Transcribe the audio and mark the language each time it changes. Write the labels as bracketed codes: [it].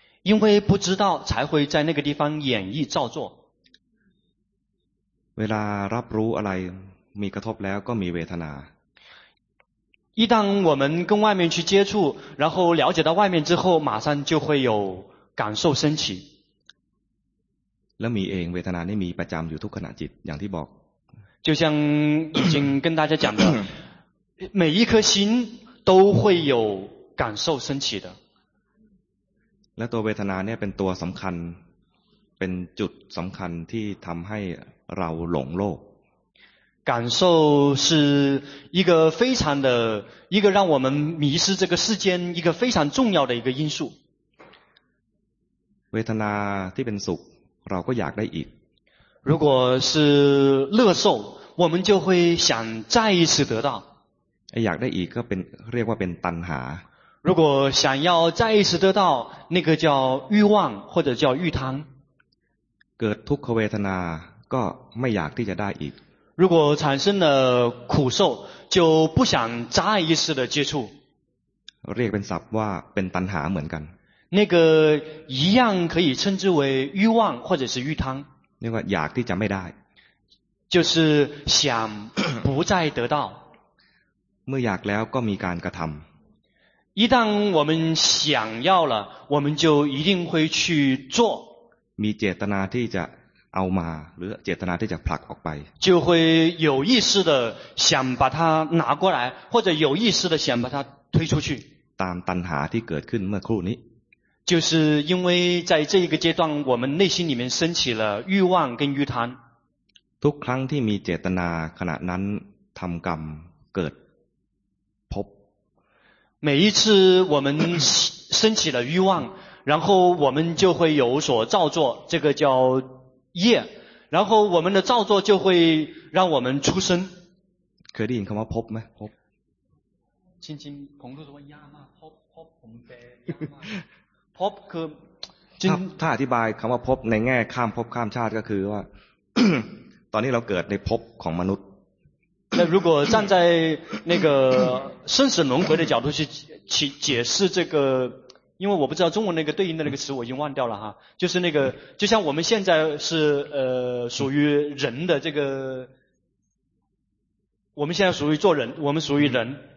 [zh] 因为不知道才会在那个地方演绎造作。 [th] เวลารับรู้อะไรมีกระทบแล้วก็มีเวทนา。 [zh] 一旦我们跟外面去接触，然后了解到外面之后，马上就会有感受升起。 [th] แล้วมีเองเวทนานี่มีประจำอยู่ทุกขณะจิตอย่างที่บอก。 [zh] 就像已经跟大家讲的，每一颗心都会有感受升起的。 [th] และตัวเวทนาเนี่ยเป็นตัวสำคัญเป็นจุดสำคัญที่ทำให้เราหลงโลก [zh] 感受是一个非常的一个让我们迷失这个世间一个非常重要的一个因素 [th] เวทนาที่เป็นสุขเราก็อยากได้อีก [zh] 如果是乐受我们就会想再一次得到 [th] อยากได้อีกก็เป็นเรียกว่าเป็นตัณหา [zh] 如果想要再一次得到那个叫欲望或者叫欲贪 [th] เกิดทุกขเวทนาก็ไม่อยากที่จะได้อีก [zh] 如果产生了苦受就不想再一次的接触 [th] เรียกเป็นศัพท์ว่าเป็นตัณหาเหมือนกัน [zh] 那个一样可以称之为欲望或者是欲贪 [th] เรียกว่าอยากที่จะไม่ได้ [zh] 就是想不再得到 [th] เมื่ออยากแล้วก็มีการกระทำ [zh] 一旦我们想要了我们就一定会去做 [th] มีเจตนาที่จะเอามาหรือเจตนาที่จะผลักออกไป [zh] 就会有意识的想把它拿过来或者有意识的想把它推出去 [th] ตามตัณหาที่เกิดขึ้นเมื่อครู่นี้ [zh] 就是因为在这一个阶段我们内心里面升起了欲望跟欲贪 [th] ทุกครั้งที่มีเจตนาขณะนั้นทำกรรมเกิด [zh] 每一次我们升起了欲望然后我们就会有所造作这个叫业然后我们的造作就会让我们出生 [th] เคยได้ยินคำว่าพบไหมพบ จริงจริงผมก็จะว่ายากมากพบพบผมแปลยากมากพบคือถ้าอธิบายคำว่าพบในแง่ข้ามพบข้ามชาติก็คือว่า ตอนนี้เราเกิดในพบของมนุษย์ [zh] 那如果站在那个生死轮回的角度去解释这个因为我不知道中文那个对应的那个词我已经忘掉了哈，就是那个就像我们现在是属于人的这个，我们现在属于做人，我们属于人。